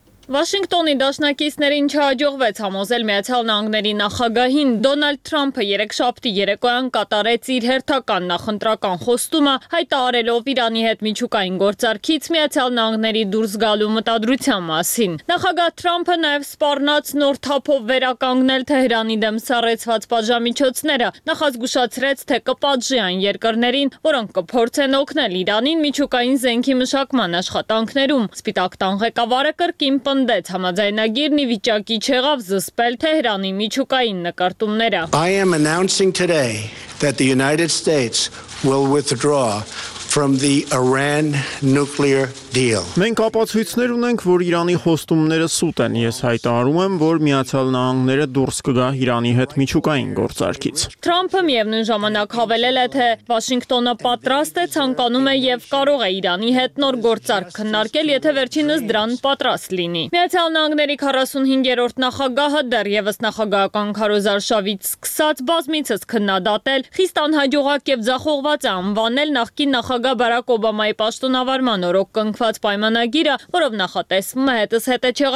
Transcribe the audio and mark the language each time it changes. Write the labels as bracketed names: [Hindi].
[Armenian] Վաշինգտոնի դաշնակիցներին չհաջողվեց համոզել Միացյալ Նահանգների նախագահին Դոնալդ Թրամփը երեքշաբթի երեկոյան կատարեց իր հերթական նախընտրական խոստումը, հայտարարելով Իրանի հետ միջուկային գործարքից Միացյալ Նահանգների դուրս գալու մտադրության մասին։ Նախագահ Թրամփը նաև սպառնաց նոր թափով վերականգնել Թեհրանի դեմ սառեցված պատժամիջոցները, նախազգուշացրեց, թե կպատժի այն երկրներին, որոնք կփորձեն օգնել Իրանին միջուկային զենքի մշակման աշխատանքներում։ Սպիտակ տան ղեկավարը կրկին պնդեց համաձայնագիրն ի վիճակի չեղավ զսպել Թեհրանի միջուկային նկարտումները. [English] I am announcing today that the United States will withdraw from the Iran nuclear deal. [Armenian] Մենք ապացույցներ ունենք, որ Իրանի հոստումները սուտ են։ Ես հայտարարում եմ, որ Միացյալ Նահանգները դուրս կգա Իրանի հետ միջուկային գործարքից։ Թրամփը միևնույն ժամանակ հավելել է, թե Վաշինգտոնը պատրաստ է, ցանկանում է եւ կարող է Իրանի հետ նոր գործարք քննարկել, եթե վերջինս դրան պատրաստ լինի։ Միացյալ Նահանգների 45-րդ նախագահը դեռևս նախագահական քարոզարշավից սկսած բազմիցս քննադատել, խիստ անհաջողակ եւ ձախողված է անվանել նախկին Նախագահ Բարակ Օբամայի պաշտոնավարման օրոք կնքված պայմանագիրը, որով նախատեսվում է հետս հետը